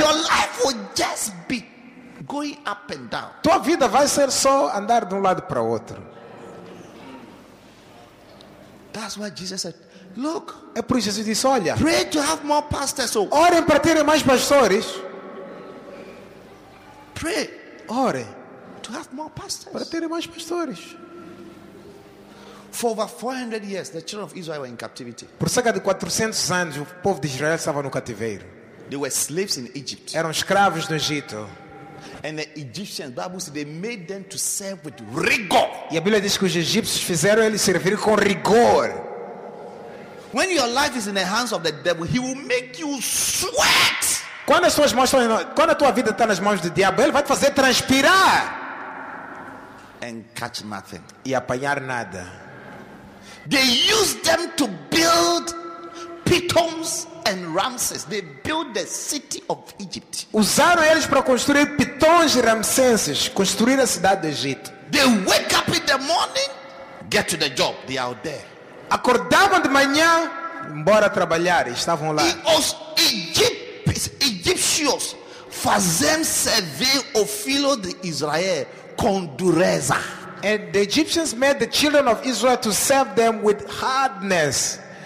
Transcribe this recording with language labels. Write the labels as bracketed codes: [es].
[en] Your life will just be going up and down. [pt] Tua vida vai ser só andar de lado para outro. [en] That's what Jesus said. Look, [pt] é por isso que Jesus disse, olha. [en] Pray to have more pastors. So, [pt] orem para terem mais pastores. [en] Pray, [pt] ore. [en] To have more pastors. [pt] Para terem mais pastores. [en] For over 400 years, the children of Israel were in captivity. [pt] Por cerca de 400 anos, o povo de Israel estava no cativeiro. [en] They were slaves in Egypt. [pt] Eram escravos no Egito. [en] And the Egyptians, Bible says, they made them to serve with rigor. [pt] E a Bíblia diz que os egípcios fizeram eles servir com rigor. [en] When your life is in the hands of the devil, he will make you sweat. [pt] Quando as suas mãos estão, quando a tua vida está nas mãos do diabo, ele vai te fazer transpirar. [en] And catch nothing. [pt] E apanhar nada. [en] They use them to build Pitons and Ramses. They build the city of Egypt. [pt] Usaram eles para construir Pitons e Ramsenses, construir a cidade do Egito. [en] They wake up in the morning, get to the job. They are there. [pt] Acordavam de manhã, embora trabalhar, estavam lá. E os egípcios faziam servir o filho de Israel com dureza. [en] And the Egyptians made the children of Israel to serve them with hardness.